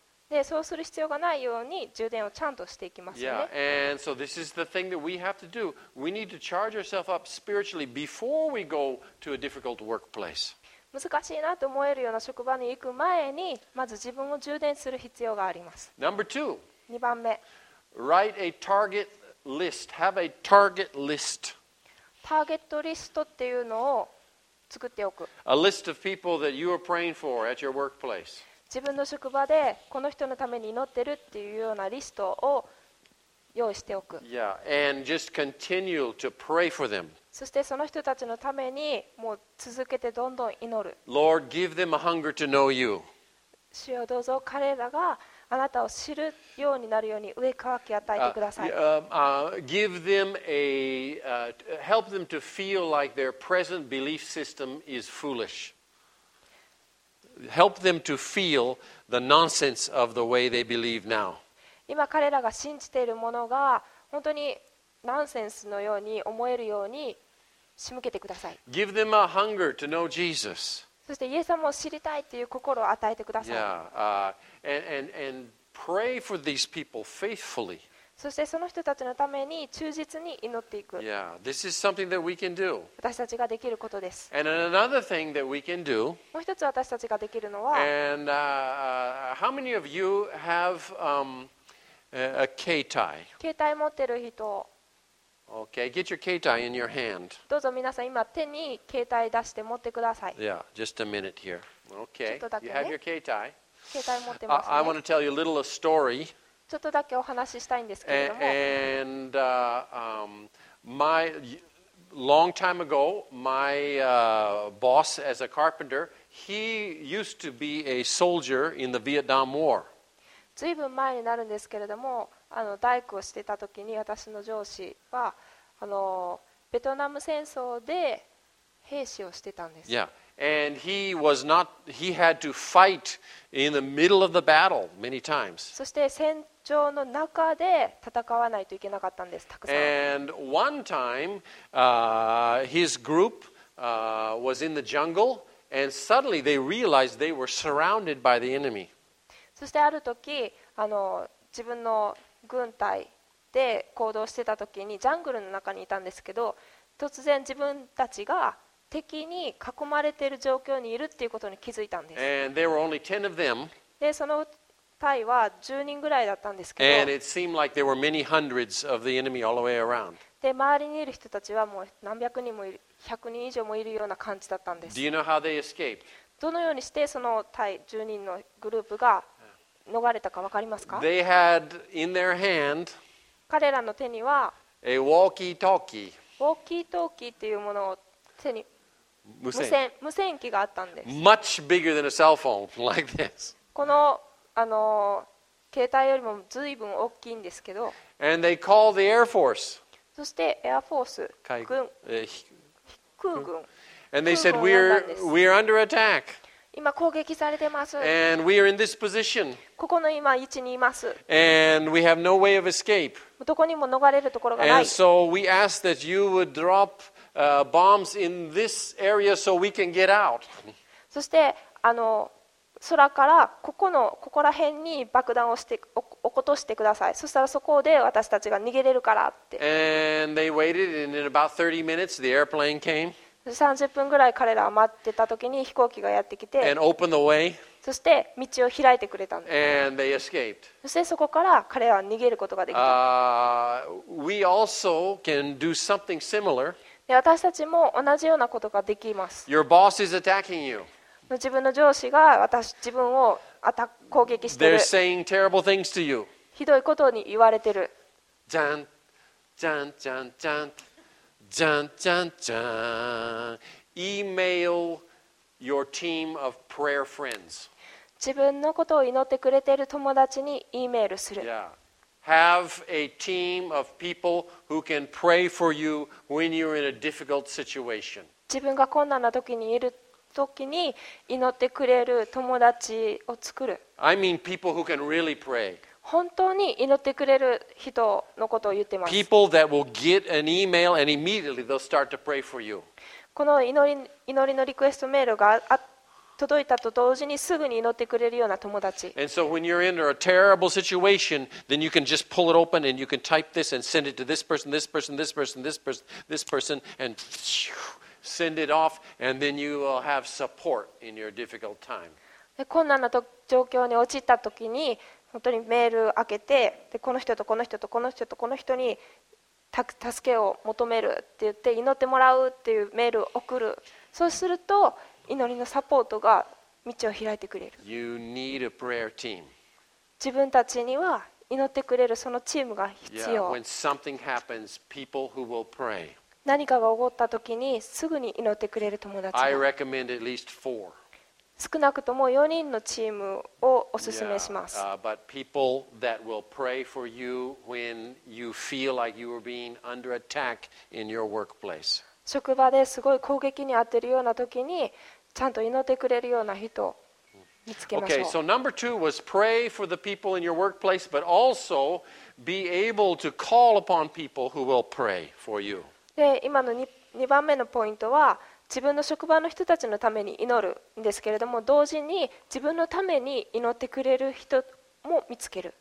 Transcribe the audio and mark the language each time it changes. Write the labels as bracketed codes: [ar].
[ja] で、そうする必要がないように充電をちゃんとしていきますよね。 [en] Yeah, and so this is the thing that we have to do. We need to charge ourselves up spiritually before we go to a difficult workplace. [ja] 難しいなと思えるような職場に行く前にまず自分を充電する必要があります。 [en] Number two. [ja] 二番目。 [en] Write a target. List. Have a target list. [ja] ターゲットリストっていうのを作っておく。 [en] A list of people that you are praying for at your workplace. [ja] 自分の職場でこの人のために祈ってるっていうようなリストを用意しておく。 [en] Yeah, and just continue to pray for them. [ja] そしてその人たちのためにもう続けてどんどん祈る。 [en] Lord, give them a hunger to know you. [ja] 主よどうぞ彼らがあなたを知るようになるように上渇き与えてください。 [en] Give them a help them to feel like their present belief system is foolish. Help them to feel the nonsense of the way they believe now. [ja] 今彼らが信じているものが本当にナンセンスのように思えるように仕向けてください。 [en] Give them a hunger to know Jesus. [ja] そしてイエス様を知りたいという心を与えてください。 [en] Yeah, and pray for these people faithfully. [ja] そしてその人たちのために忠実に祈っていく。 [en] Yeah, this is something that we can do. [ja] 私たちができることです。 [en] And another thing that we can do. [ja] もう一つ私たちができるのは。 [en] And how many of you have a 携帯？ [ja] 携帯持ってる人。 [en] Okay, get your 携帯 in your hand. [ja] どうぞ皆さん今手に携帯出して持ってください。 [en] Yeah, just a minute here. Okay, you have your 携帯。 [ja] 携帯持ってますね。 [en] I want to tell you a little a story. [ja] ちょっとだけお話ししたいんですけれども。 [en] And my long time ago, my boss as a carpenter, he used to be a soldier in the Vietnam War. [ja] ずいぶん前になるんですけれども。あの大工をしてた時に私の上司はあのベトナム戦争で兵士をしてたんです。 [en] Yeah. And he was not, he had to fight in the middle of the battle many times. [ja] そして戦場の中で戦わないといけなかったんです、たくさん。 [en] And one time, his group, was in the jungle, and suddenly they realized they were surrounded by the enemy. [ja] そしてある時、自分の軍隊で行動してた時にジャングルの中にいたんですけど、突然自分たちが敵に囲まれている状況にいるっていうことに気づいたんです。 [en] And there were only 10 of them. [ja] で、その隊は10人ぐらいだったんですけど。 [en] And it seemed like there were many hundreds of the enemy all the way around. [ja] で、周りにいる人たちはもう何百人もいる、100人以上もいるような感じだったんです。 [en] Do you know how they escaped? [ja] どのようにしてその隊10人のグループが逃れたか分かりますか? [en] They had in their hand [ja] 彼らの手には [en] a walkie-talkie. [ja] Walkie-talkie っていうものを手に無線機があったんです。 [en] Much bigger than a cell phone, like this. [ja] この、携帯よりも随分大きいんですけど。 [en] And they called the Air Force. [ja] そして、Air Force、軍、空軍。 [en] And they said, we're under attack. [ja] 今攻撃されてます。 [en] And we are in this position. [ja] ここの今位置にいます。 [en] And we have no way of escape. [ja] どこにも逃れるところがない。 [en] And so we asked that you would dropbombs in this area so we can get out. [ja] そして空からここら辺に爆弾をして落っことしてください。そしたらそこで私たちが逃げれるからって。 [en] And they waited, and in about 30 minutes, the airplane came. [ja] 30分ぐらい彼らは待ってた時に飛行機がやってきて。 [en] And opened the way. [ja] そして道を開いてくれたんです。 [en] And they escaped. [ja] そしてそこから彼らは逃げることができた。 [en] We also can do something similar. [ja] で私たちも同じようなことができます。 [en] Your boss is attacking you. [ja] 自分の上司が自分を攻撃している。 [en] They're saying terrible things to you. [ja] ひどいことに言われてる。じゃん、じゃん、じゃん、じゃん、じゃん、じゃん、じゃん。 [en] Email your team of prayer friends. [ja] 自分のことを祈ってくれている友達にイメールする。 [en] Yeah. Have a team of people who can pray for you when you're in a difficult situation. [ja] 自分が困難な時にいる時に祈ってくれる友達を作る。 [en] I mean people who can really pray. [ja] 本当に祈ってくれる人のことを言ってます。 [en] People that will get an email and immediately they'll start to pray for you. [ja] この祈りのリクエストメールが届いたと同時にすぐに祈ってくれるような友達。 [en] And so when you're in a terrible situation, then you can just pull it open and you can type this and send it to this person, this person, this person, this person, this person, and send it off, and then you will have support in your difficult time. [ja] 困難な状況に陥った時に本当にメール開けて、でこの人とこの人とこの人とこの人に助けを求めるって言って祈ってもらうっていうメールを送る。そうすると。祈りのサポートが道を開いてくれる。 [en] You need a prayer team. [ja] 自分たちには祈ってくれるそのチームが必要。 [en] Yeah, when something happens, people who will pray. [ja] 何かが起こった時にすぐに祈ってくれる友達が。 [en] I recommend at least four. [ja] 少なくとも4人のチームをおすすめします。 [en] Yeah, but people that will pray for you when you feel like you are being under attack in your workplace. [ja] 職場ですごい攻撃に遭っているような時にちゃんと祈ってくれるような人を見つけましょう。 [en] Okay, so number two was pray for the people in your workplace, but also be able to call upon people who will pray for you. [ja] で、今の 2番目のポイントは自分の職場の人たちのために祈るんですけれども、同時に自分のために祈ってくれる人も見つける。